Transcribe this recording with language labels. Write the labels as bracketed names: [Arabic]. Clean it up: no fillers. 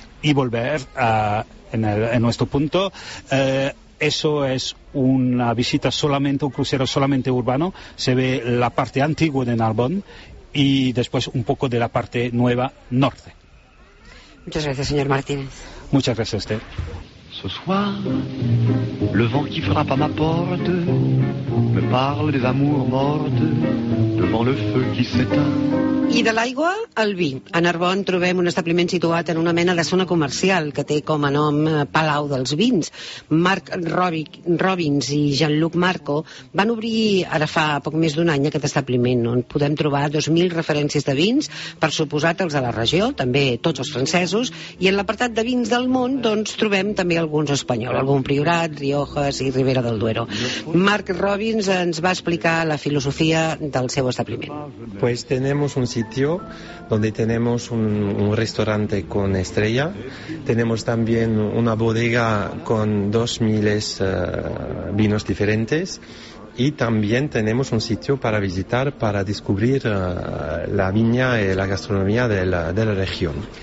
[Spanish] y volver en nuestro punto. Eso es una visita solamente, un crucero solamente urbano. Se ve la parte antigua de Narbonne y después un poco de la parte nueva norte. Muchas gracias, señor Martínez. Muchas gracias, Esther. [French] Ce soir, le vent qui frappe à ma porte me parle des amours mortes devant le feu qui s'éteint. [Catalan] I de l'aigua al vi. A Narbonne trobem un establiment situat en una mena de zona comercial que té com a nom Palau dels Vins. Marc Robbins i Jean-Luc Marco van obrir ara fa poc més d'un any aquest establiment, on podem trobar 2.000 referències de vins, per suposat els de la regió, també tots els francesos, i en l'apartat de vins del món doncs trobem també alguns espanyols, algun Priorat, Riojas i Ribera del Duero. Marc Robbins ens va explicar la filosofia del seu establiment. [Spanish] Pues tenemos un sitio donde tenemos un restaurante con estrella, tenemos también una bodega con 2.000 vinos diferentes y también tenemos un sitio para visitar, para descubrir la viña y la gastronomía de la región.